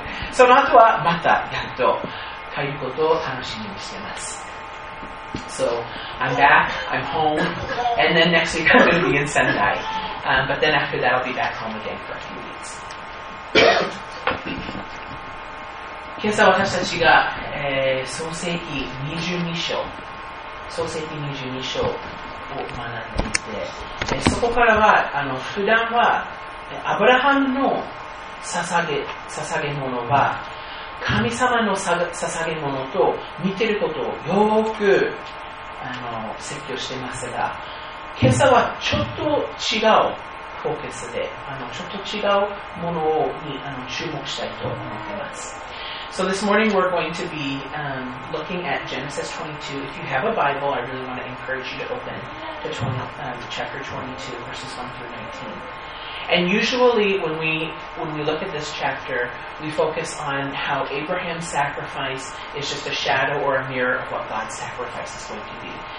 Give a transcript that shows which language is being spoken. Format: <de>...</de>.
<ja>その後はまたやっと帰ることを楽しみにしています。</ja> <en>So, I'm back, I'm home, and then next week I'm going to be in Sendai. But then after that I'll be back home again for a few weeks.</en> <ja>今朝私たちが、創世記22章、創世記22章を学んでいて、そこからは普段はアブラハムの捧げ物は神様の捧げ物と似ていることをよく説教していますが、今朝はちょっと違うフォーカスで、ちょっと違うものに注目したいと思っています。</ja> <en>So this morning we're going to be looking at Genesis 22. If you have a Bible, I really want to encourage you to open to chapter 22, verses 1 through 19. And usually when we look at this chapter, we focus on how Abraham's sacrifice is just a shadow or a mirror of what God's sacrifice is going to be.</en>